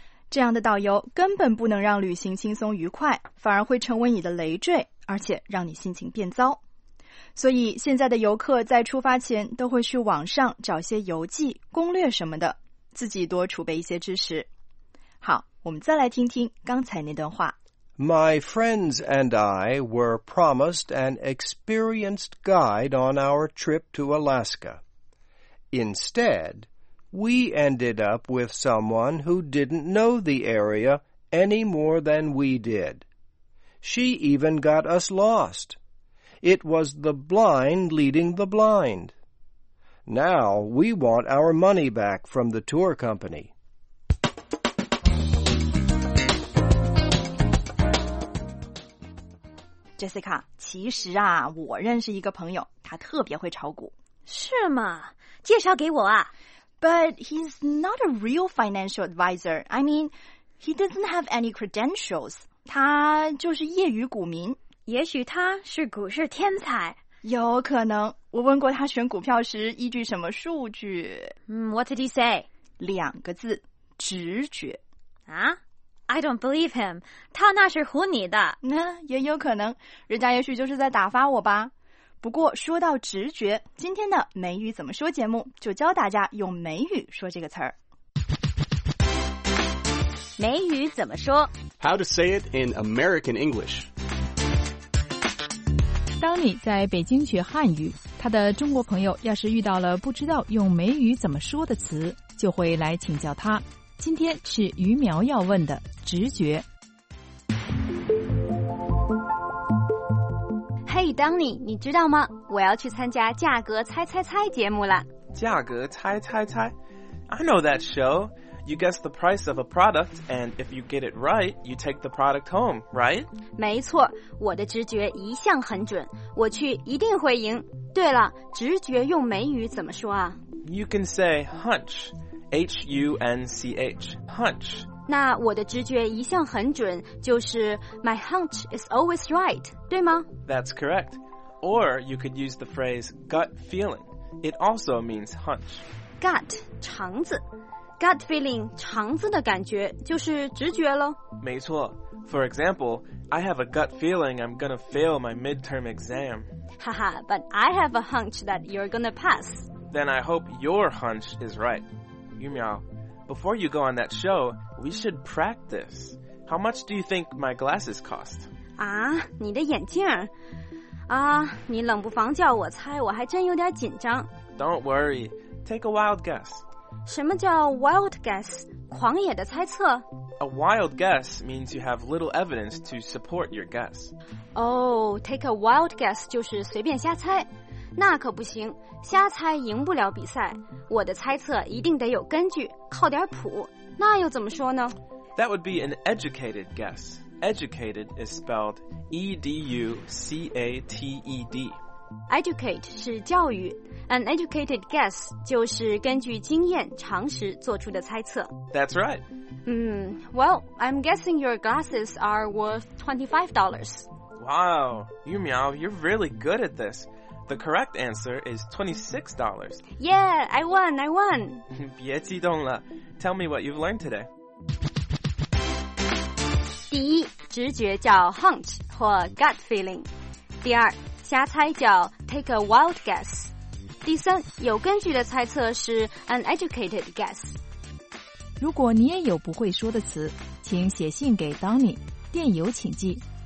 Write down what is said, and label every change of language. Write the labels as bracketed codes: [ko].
[zh] 这样的导游根本不能让旅行轻松愉快，反而会成为你的累赘，而且让你心情变糟。所以现在的游客在出发前都会去网上找些游记、攻略什么的，自己多储备一些知识。好，我们再来听听刚才那段话。 [en] My friends and I were promised an experienced guide on our trip to Alaska. Instead,We ended up with someone who didn't know the area any more than we did. She even got us lost. It was the blind leading the blind. Now we want our money back from the tour company. [zh] 其实啊，我认识一个朋友，他特别会炒股。是吗？介绍给我啊。 [en] But he's not a real financial advisor. I mean, he doesn't have any credentials. [zh] 他就是业余股民。也许他是股市天才。有可能。我问过他选股票时依据什么数据。 [en] What did he say? [zh] 两个字，直觉。啊？ [en] I don't believe him. [zh] 他那是唬你的。那也有可能。人家也许就是在打发我吧。不过说到直觉，今天的美语怎么说节目就教大家用美语说这个词儿。美语怎么说 [en] ？How to say it in American English？ [zh] 当你在北京学汉语，他的中国朋友要是遇到了不知道用美语怎么说的词，就会来请教他。今天是于苗要问的直觉。 Hey, Donny, 你知道吗？我要去参加《价格猜猜猜》节目了。 [en] 价格猜猜猜 ？I know that show. You guess the price of a product, and if you get it right, you take the product home, right? [zh] 没错，我的直觉一向很准，我去一定会赢。对了，直觉用美语怎么说啊 [en] ？You can say hunch, H-U-N-C-H, hunch. [zh] 那我的直觉一向很准，就是 [en] My hunch is always right. [zh] 对吗 [en] That's correct. Or you could use the phrase gut feeling. It also means hunch. [zh] Gut, 肠子 Gut feeling, 肠子的感觉就是直觉咯。没错。 [en] For example, I have a gut feeling I'm gonna fail my midterm exam. Haha, but I have a hunch that you're gonna pass. Then I hope your hunch is right. Yumiao, before you go on that show, we should practice. How much do you think my glasses cost? [zh] 啊，你的眼镜？啊，你冷不防叫我猜，我还真有点紧张。 [en] Don't worry. Take a wild guess. [zh] 什么叫 wild guess? 狂野的猜测？ [en] A wild guess means you have little evidence to support your guess. [zh] Oh, take a wild guess 就是随便瞎猜。那可不行，瞎猜赢不了比赛。我的猜测一定得有根据，靠点谱。那又怎么说呢？ [en] That would be an educated guess. Educated is spelled E-D-U-C-A-T-E-D. [zh] Educate 是教育。An educated guess 就是根据经验、常识做出的猜测。 [en] That's right. Well, I'm guessing your glasses are worth $25. Wow, Yumiao, you're really good at this. The correct answer is $26. Yeah, I won. [zh] 别激动了。 [en] Tell me what you've learned today. [zh] 第一，直觉叫 hunch 或 gut feeling。第二，瞎猜叫 take a wild guess。第三，有根据的猜测是 an educated guess。如果你也有不会说的词，请写信给 Donny， 电邮请寄